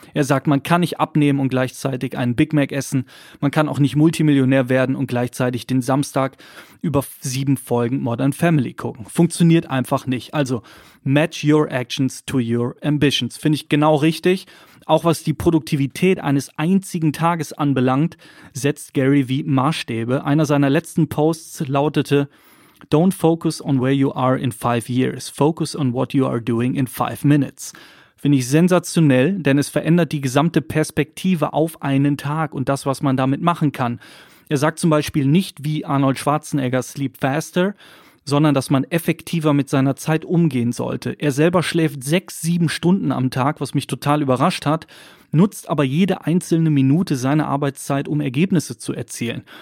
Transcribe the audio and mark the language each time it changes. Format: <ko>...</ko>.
<de>Er sagt, man kann nicht abnehmen und gleichzeitig einen Big Mac essen. Man kann auch nicht Multimillionär werden und gleichzeitig den Samstag über 7 Folgen Modern Family gucken. Funktioniert einfach nicht. Also,</de> <en>match your actions to your ambitions.</en> <de>Finde ich genau richtig. Auch was die Produktivität eines einzigen Tages anbelangt, setzt Gary Vee Maßstäbe. Einer seiner letzten Posts lautete,</de> <en>don't focus on where you are in 5 years, focus on what you are doing in 5 minutes.</en> <de>Finde ich sensationell, denn es verändert die gesamte Perspektive auf einen Tag und das, was man damit machen kann. Er sagt zum Beispiel nicht wie Arnold Schwarzenegger,</de> <en>sleep faster,</en> <de>sondern dass man effektiver mit seiner Zeit umgehen sollte. Er selber schläft 6-7 Stunden am Tag, was mich total überrascht hat, nutzt aber jede einzelne Minute seiner Arbeitszeit, um Ergebnisse zu erzielen.</de>